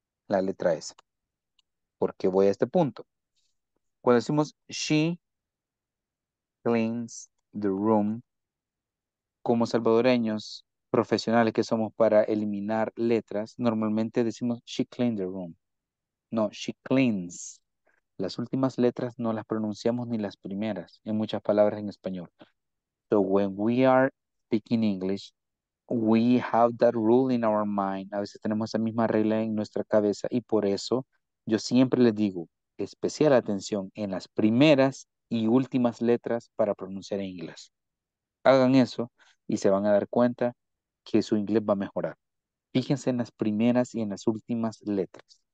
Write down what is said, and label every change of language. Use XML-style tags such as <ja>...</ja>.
<es>La letra S. ¿Por qué voy a este punto? Cuando decimos</es> <en>she cleans the room,</en> <es>como salvadoreños profesionales que somos para eliminar letras, normalmente decimos she cleans the room.</es> <en>No, she cleans.</en> <es>Las últimas letras no las pronunciamos ni las primeras en muchas palabras en español.</es> <en>So when we are speaking English, we have that rule in our mind.</en> <es>A veces tenemos esa misma regla en nuestra cabeza y por eso yo siempre les digo especial atención en las primeras y últimas letras para pronunciar en inglés. Hagan eso y se van a dar cuenta que su inglés va a mejorar. Fíjense en las primeras y en las últimas letras.</es>